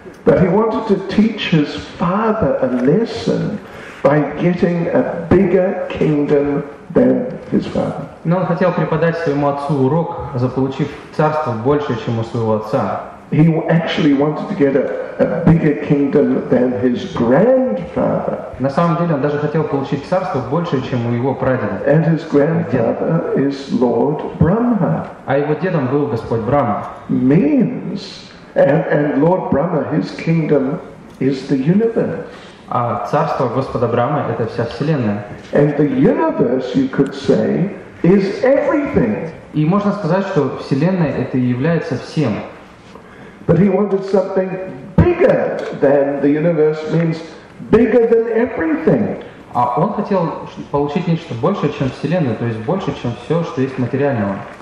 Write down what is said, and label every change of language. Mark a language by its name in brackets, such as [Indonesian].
[English] But he wanted to teach his father a lesson by getting a bigger kingdom than his father. [Russian] Но он хотел преподать своему отцу урок, заполучив царство больше, чем у своего отца. [English] He actually wanted to get a bigger kingdom than his grandfather. [Russian] На самом деле, он даже хотел получить царство больше, чем у его прадеда. [English] And his grandfather is Lord Brahma. [Russian] А его дедом был Господь Брахма. [English] Means and Lord Brahma, his kingdom is the universe. [Russian] А царство Господа Брахмы — это вся вселенная. [English] And the universe, you could say, is everything. [Russian] И можно сказать, что вселенная — это и является всем. [English] But he wanted something bigger than the universe means bigger than everything. [Russian] А он хотел получить нечто большее, чем вселенная, то есть больше, чем все, что есть материального.